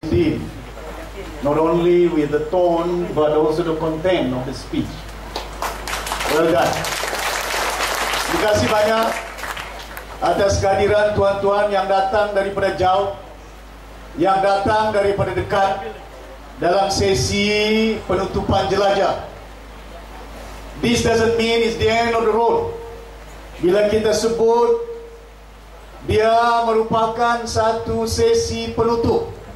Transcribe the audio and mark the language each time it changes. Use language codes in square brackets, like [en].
[en] him, not only with the tone, but also the content of the speech. Well done. [ms] Terima kasih banyak atas kehadiran tuan-tuan yang datang daripada jauh, yang datang daripada dekat dalam sesi penutupan jelajah. [en] This doesn't mean it's the end of the road. [ms] Bila kita sebut, dia merupakan satu sesi penutup.